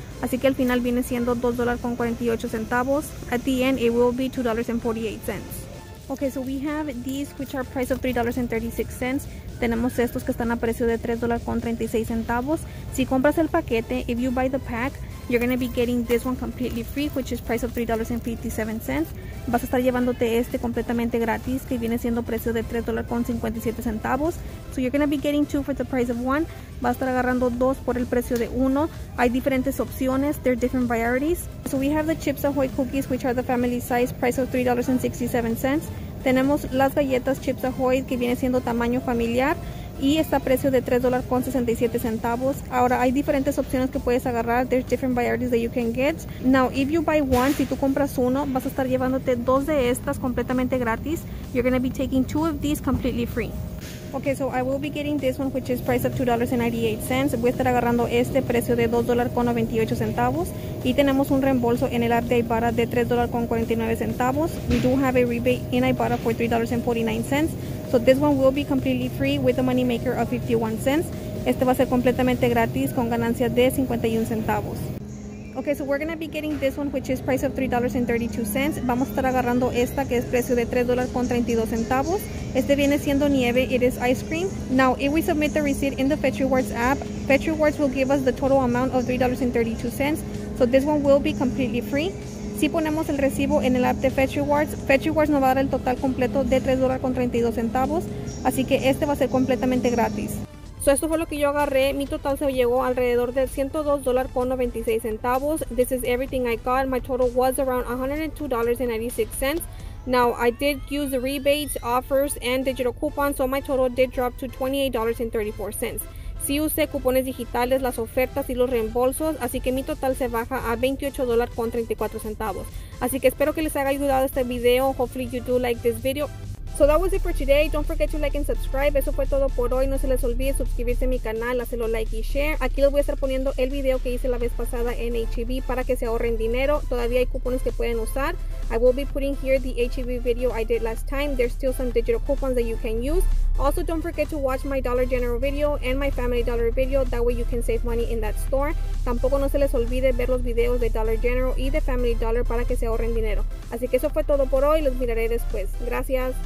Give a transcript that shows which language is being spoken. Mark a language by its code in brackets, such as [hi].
[es] Así que al final viene siendo $2.48. [en] At the end, it will be $2.48. Okay, so we have these which are price of $3.36. [es] Tenemos estos que están a precio de $3.36. Si compras el paquete, [en] if you buy the pack, you're going to be getting this one completely free, which is price of $3.57. [es] Vas a estar llevándote este completamente gratis, que viene siendo precio de $3.57. [en] So you're going to be getting two for the price of one. [es] Vas a estar agarrando dos por el precio de uno. Hay diferentes opciones. [en] There are different varieties. So we have the Chips Ahoy cookies, which are the family size, price of $3.67. [es] Tenemos las galletas Chips Ahoy, que viene siendo tamaño familiar, y está a precio de $3.67. Ahora, hay diferentes opciones que puedes agarrar. [en] There's different varieties that you can get. Now, if you buy one, [es] si tú compras uno, vas a estar llevándote dos de estas completamente gratis. [en] You're going to be taking two of these completely free. Okay, so I will be getting this one, which is price of $2.98. [es] Voy a estar agarrando este precio de $2.98. Y tenemos un reembolso en el app de Ibarra de $3.49. [en] We do have a rebate in Ibarra for $3.49. So this one will be completely free with a money maker of 51 cents. [es] Este va a ser completamente gratis con ganancia de 51 centavos. [en] Okay, so we're going to be getting this one, which is price of $3.32. [es] Vamos a estar agarrando esta, que es precio de $3.32. Este viene siendo nieve. [en] It is ice cream. Now, if we submit the receipt in the Fetch Rewards app, Fetch Rewards will give us the total amount of $3.32. So this one will be completely free. [es] Si ponemos el recibo en el app de Fetch Rewards nos va a dar el total completo de $3.32. Así que este va a ser completamente gratis. So esto fue lo que yo agarré. Mi total se llegó alrededor de $102.96. [en] This is everything I got. My total was around $102.96. Now, I did use the rebates, offers, and digital coupons, so my total did drop to $28.34. [es] Sí usé cupones digitales, las ofertas y los reembolsos, así que mi total se baja a $28.34. Así que espero que les haya ayudado este video. [en] Hopefully you do like this video. So that was it for today. Don't forget to like and subscribe. [es] Eso fue todo por hoy. No se les olvide suscribirse a mi canal, hacerlo like y share. Aquí les voy a estar poniendo el video que hice la vez pasada en HEB para que se ahorren dinero. Todavía hay cupones que pueden usar. [en] I will be putting here the HEB video I did last time. There's still some digital coupons that you can use. Also, don't forget to watch my Dollar General video and my Family Dollar video. That way you can save money in that store. [es] Tampoco no se les olvide ver los videos de Dollar General y de Family Dollar para que se ahorren dinero. Así que eso fue todo por hoy. Los miraré después. Gracias.